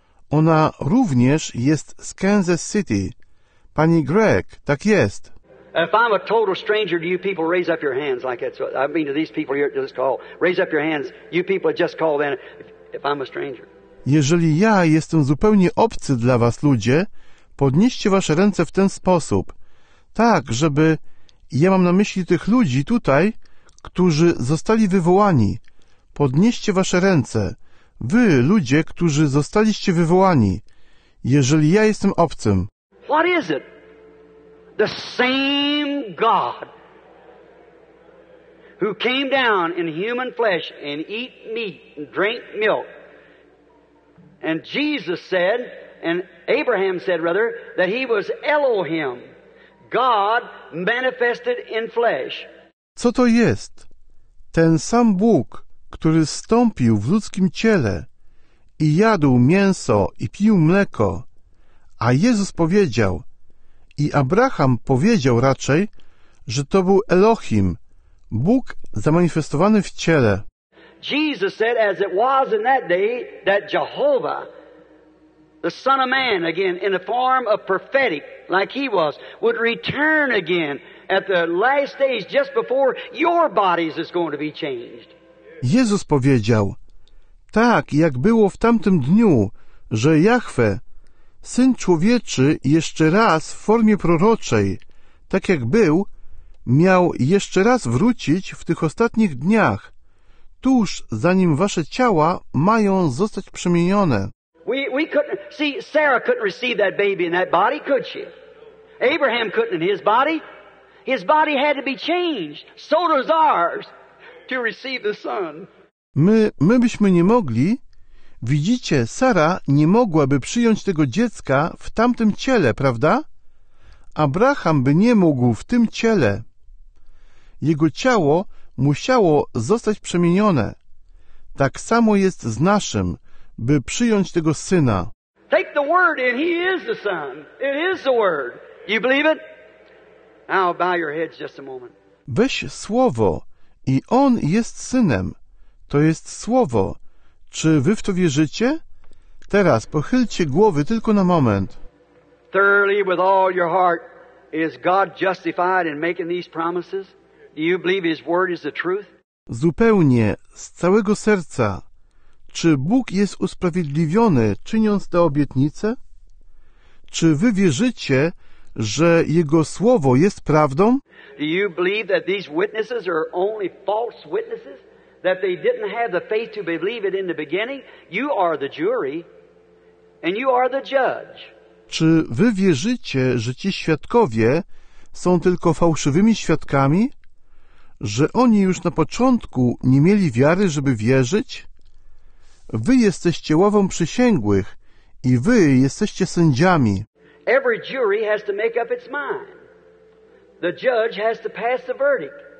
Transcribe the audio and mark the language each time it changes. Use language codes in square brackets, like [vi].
[pl] Ona również jest z Kansas City. Pani Gregg, tak jest. [en] If I'm a total stranger to you people, raise up your hands like that. So, I mean to these people here at this call. Raise up your hands, you people just call in, if I'm a stranger. [pl] Jeżeli ja jestem zupełnie obcy dla was ludzie, podnieście wasze ręce w ten sposób. Tak, żeby... Ja mam na myśli tych ludzi tutaj, którzy zostali wywołani. Podnieście wasze ręce. Wy, ludzie, którzy zostaliście wywołani. Jeżeli ja jestem obcym. [en] What is it? The same God who came down in human flesh and eat meat and drank milk. And Jesus said, and Abraham said rather, that he was Elohim. God manifested in flesh. [pl] Co to jest? Ten sam Bóg, który zstąpił w ludzkim ciele i jadł mięso i pił mleko. A Jezus powiedział, i Abraham powiedział raczej, że to był Elohim, Bóg zamanifestowany w ciele. [en] Jesus said, as it was in that day, that Jehovah, the Son of Man, again, in the form of prophetic, like he was, would return again at the last days, just before your bodies is going to be changed. [pl] Jezus powiedział, tak jak było w tamtym dniu, że Jahwe, Syn Człowieczy, jeszcze raz w formie proroczej, tak jak był, miał jeszcze raz wrócić w tych ostatnich dniach, tuż zanim wasze ciała mają zostać przemienione. [en] We couldn't, see, Sarah couldn't receive that baby in that body, could she? Abraham couldn't in his body. His body had to be changed, so does ours. To receive the son. [pl] My byśmy nie mogli. Widzicie, Sara nie mogłaby przyjąć tego dziecka w tamtym ciele, prawda? Abraham by nie mógł w tym ciele. Jego ciało musiało zostać przemienione. Tak samo jest z naszym, by przyjąć tego syna. [en] Take the word and he is the son. It is the word. You believe it? I'll bow your heads just a moment. [pl] Weź słowo. I On jest Synem. To jest Słowo. Czy wy w to wierzycie? Teraz pochylcie głowy tylko na moment. [en] Thoroughly with all your heart, is God justified in making these promises? Do you believe His word is the truth? [pl] Zupełnie, z całego serca. Czy Bóg jest usprawiedliwiony, czyniąc te obietnice? Czy wy wierzycie, że Jego Słowo jest prawdą? [en] Do you believe that these witnesses are only false witnesses? That they didn't have the faith to believe it in the beginning? You are the jury and you are the judge. [pl] Czy wy wierzycie, że ci świadkowie są tylko fałszywymi świadkami? Że oni już na początku nie mieli wiary, żeby wierzyć? Wy jesteście ławą przysięgłych i wy jesteście sędziami. [en] Every jury has to make up its mind. The judge has to pass the verdict.